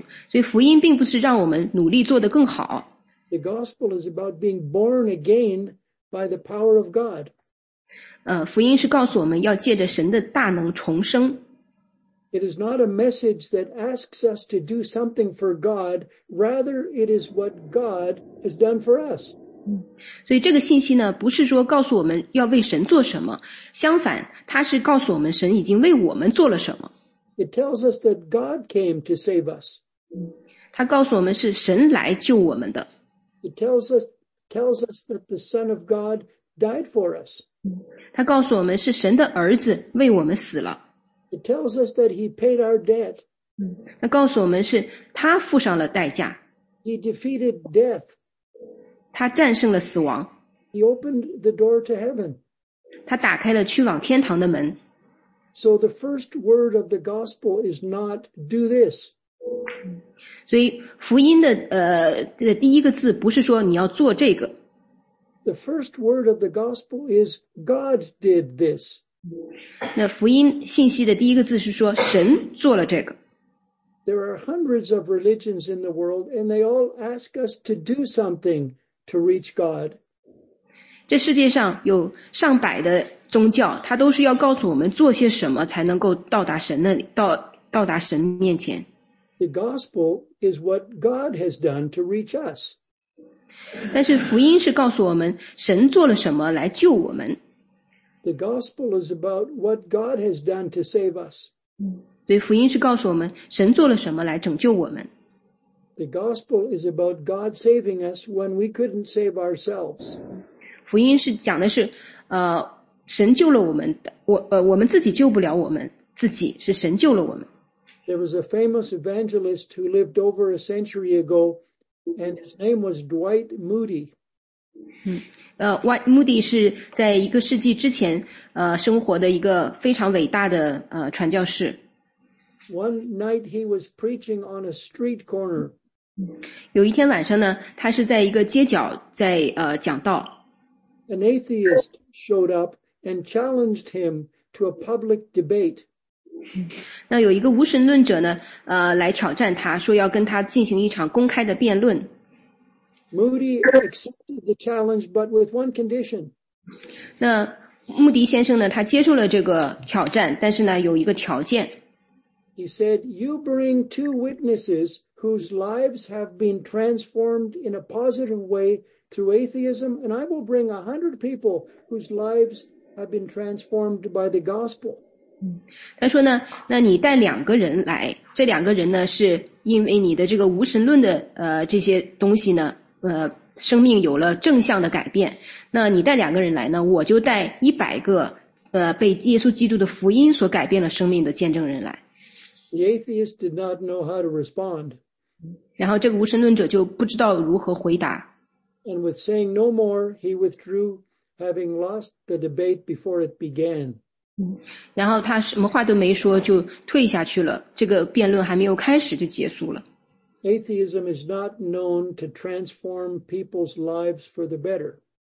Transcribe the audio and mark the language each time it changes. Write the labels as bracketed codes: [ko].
[zh] 所以福音并不是让我们努力做得更好。 [en] The gospel is about being born again by the power of God. [zh] 福音是告诉我们要借着神的大能重生。 [en] It is not a message that asks us to do something for God, rather it is what God has done for us. [zh] 所以这个信息呢，不是说告诉我们要为神做什么，相反，它是告诉我们神已经为我们做了什么。 [en] It tells us that God came to save us. [zh] 它告诉我们是神来救我们的。 [en] It tells us that the Son of God died for us. [zh] 它告诉我们是神的儿子为我们死了。 [en] It tells us that he paid our debt. [zh] 它告诉我们是他付上了代价。 [en] He defeated death. [zh] 他战胜了死亡。 [en] He opened the door to heaven. [zh] 他打开了去往天堂的门。 [en] So the first word of the gospel is not do this. [zh] 所以福音的第一个字不是说你要做这个。 [en] The first word of the gospel is God did this. [zh] 那福音信息的第一个字是说神做了这个。 [en] There are hundreds of religions in the world, and they all ask us to do something to reach God. [zh] 这世界上有上百的宗教，它都是要告诉我们做些什么才能够到达神那里，到达神面前。 [en] The gospel is what God has done to reach us. [zh] 但是福音是告诉我们神做了什么来救我们。 [en] The gospel is about what God has done to save us. [zh] 对，福音是告诉我们神做了什么来拯救我们。 [en] The gospel is about God saving us when we couldn't save ourselves. [zh] 福音是讲的是神救了我们，我们自己救不了我们自己，是神救了我们。 [en] There was a famous evangelist who lived over a century ago, and his name was Dwight Moody. [zh] Dwight Moody 是在一个世纪之前生活的一个非常伟大的传教士。 [en] One night he was preaching on a street corner. [zh] 有一天晚上呢，他是在一个街角在讲道。 [en] An atheist showed up and challenged him to a public debate. [zh] 那有一个无神论者呢，来挑战他，说要跟他进行一场公开的辩论。 [en] Moody accepted the challenge, but with one condition. [zh] 那穆迪先生呢，他接受了这个挑战，但是呢，有一个条件。 [en] He said, "You bring two witnesses whose lives have been transformed in a positive way through atheism, and I will bring 100 people whose lives have been transformed by the gospel." [zh] 他说呢，那你带两个人来，这两个人呢是因为你的这个无神论的这些东西呢，生命有了正向的改变。那你带两个人来呢，我就带100个被耶稣基督的福音所改变了生命的见证人来。 [en] The atheist did not know how to respond. [zh] 然后这个无神论者就不知道如何回答。 [en] And with saying no more, he withdrew, having lost the debate before it began. [zh] 然后他什么话都没说就退下去了，这个辩论还没有开始就结束了。 [en] Atheism is not known to transform people's lives for the better.